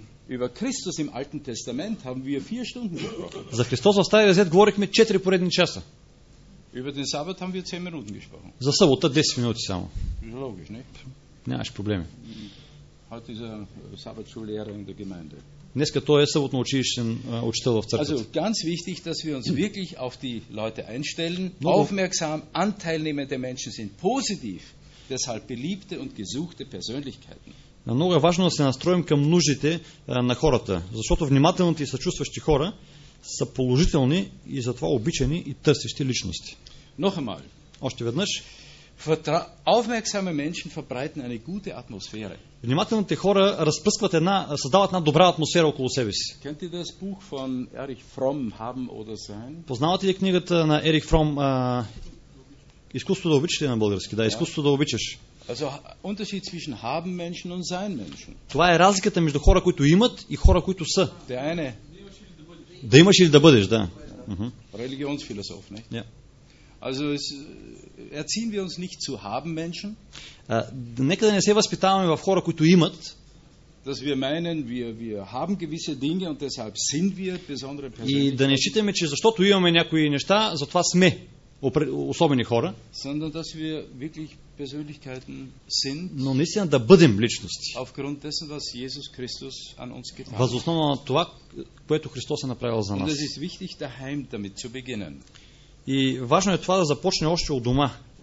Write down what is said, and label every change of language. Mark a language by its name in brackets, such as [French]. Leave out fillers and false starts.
[German] Über Christus im Alten Testament haben wir 4 Stunden gesprochen. [Bulgarian] За Христос в Стария Завет говорихме 4 поредни часа. [German] Über den Sabbat haben wir 10 Minuten gesprochen. [Bulgarian] За събота 10 минути само. [German] Logisch, ne? [Bulgarian] Нямаш проблеми. [German] Heute ist Sabbatschullehrer in der Gemeinde. [Bulgarian] Днеска той е съботно училищен учител в църквата. [German] Also, ganz wichtig, dass wir uns wirklich auf die Leute einstellen. Aufmerksam, anteilnehmende Menschen sind positiv. Deshalb beliebte und gesuchte Persönlichkeiten. [Bulgarian] Много е важно да се настроим към нуждите на хората, защото внимателните и съчувстващи хора са положителни и затова обичани и търсещи личности. [German] Noch einmal. [Bulgarian] Още веднъж. [German] Aufmerksame Menschen verbreiten eine gute Atmosphäre. [Bulgarian] Внимателните хора разпръскват създават една добра атмосфера около себе си. [German] Kennt ihr das Buch von Erich Fromm haben oder sein? [Bulgarian] Познавате ли книгата на Ерих Фром Изкуството да обичаш на български? Да, изкуството да обичаш. [German] Also Unterschied zwischen haben Menschen und sein Menschen. [Bulgarian] Това е разликата между хора, които имат и хора, които са. [German] Der eine. [Bulgarian] Да имаш или да бъдеш, да. Религионсфилософ, не? [German] Ja. Also erziehen wir uns nicht zu haben Menschen? [Bulgarian] Нека да не се възпитаваме в хора, които имат. [German] Dass wir meinen, wir haben gewisse Dinge und deshalb sind wir besondere Personen. [Bulgarian] И да не считаме, че защото имаме някои неща, затова сме особени хора. [German] Sondern dass wir wirklich Persönlichkeiten sind. [Bulgarian] Но наистина да бъдем личности. [German] Aufgrund dessen, was Jesus Christus an uns getan hat. [Bulgarian] Въз основа на това, което Христос е направил за нас. [German] Und es ist wichtig, daheim damit zu beginnen. [Bulgarian] И важно е това да започне още от дома.